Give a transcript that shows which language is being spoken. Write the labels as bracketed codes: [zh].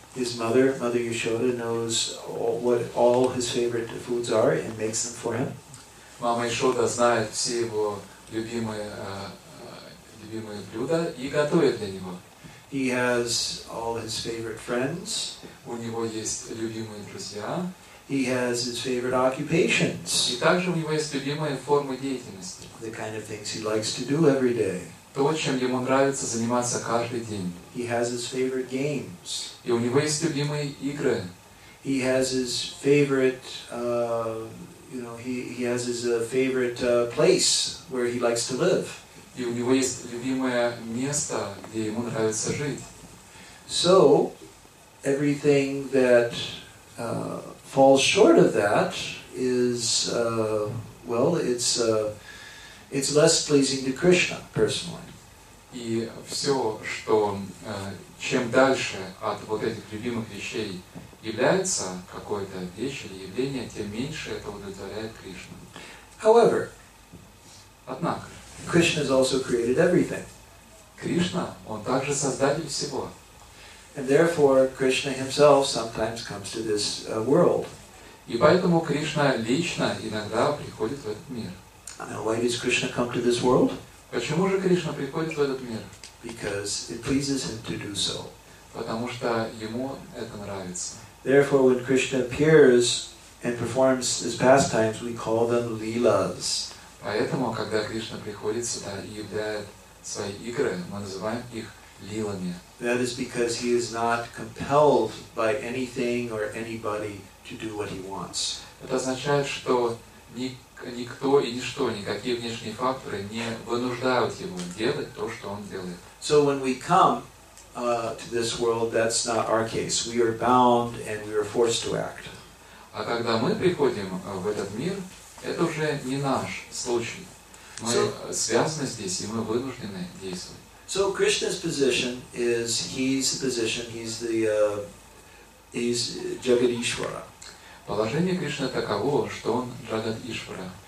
[en] His mother Yashoda, knows what all his favorite foods are and makes them for him. [ru] Мама Йошода знает все его любимые блюда и готовит для него. [en] He has all his favorite friends. [ru] У него есть любимые друзья. [en] He has his favorite occupations. [ru] И также у него есть любимые формы деятельности. [en] The kind of things he likes to do every day. [ru] То, чем ему нравится заниматься каждый день. [en] He has his favorite games. [ru] И у него есть любимые игры. [en] He has his favorite place where he likes to live. [ru] И у него есть любимое место, где ему нравится жить. [en] So, everything that falls short of that is, it's less pleasing to Krishna, personally. [ru] И все, что чем дальше от вот этих любимых вещей является какое-то вещь или явление, тем меньше это удовлетворяет Кришну. [en] However, [ru] однако, [en] Krishna has also created everything. [ru] Кришна, он также создатель всего. [en] And therefore, Krishna himself sometimes comes to this world. [ru] И поэтому Кришна лично иногда приходит в этот мир. [en] Now, why does Krishna come to this world? [ru] Почему же Кришна приходит в этот мир? [en] Because it pleases him to do so. [ru] Потому что ему это нравится. [en] Therefore, when Krishna appears and performs his pastimes, we call them lilas. [ru] Поэтому, когда Кришна приходит сюда и являет свои игры, мы называем их лилами. [en] That is because he is not compelled by anything or anybody to do what he wants. [ru] Это означает, что никто и ничто, никакие внешние факторы не вынуждают его делать то, что он делает. [en] So when we come to this world, that's not our case. We are bound and we are forced to act. [ru] А когда мы приходим в этот мир, это уже не наш случай. Мы связаны здесь, и мы вынуждены действовать. [en] So Krishna's position is he's Jagadishvara. [ru] Положение Кришны таково, что он Джагадишвара.